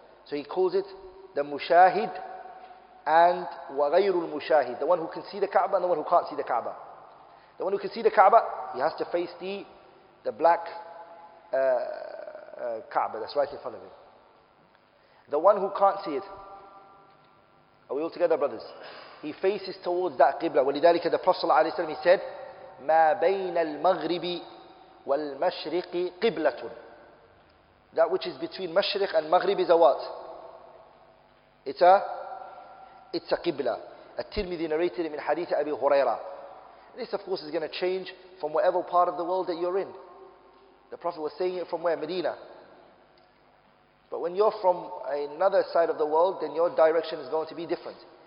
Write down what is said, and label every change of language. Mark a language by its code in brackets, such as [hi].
[en] So he calls it the Mushahid and Waghayrul Mushahid. The one who can see the Kaaba and the one who can't see the Kaaba. The one who can see the Kaaba, he has to face the black Kaaba that's right in front of him. The one who can't see it, are we all together, brothers? He faces towards that Qibla. [ar] ولذلك [en] the Prophet ﷺ, he said, [ar] ما بين المغرب والمشرق قبلة. [en] That which is between Mashriq and Maghrib is a what? It's a Qibla. At-Tirmidhi narrated him in Hadith Abi Hurairah. This of course is going to change from whatever part of the world that you're in. The Prophet was saying it from where? Medina. But when you're from another side of the world, then your direction is going to be different.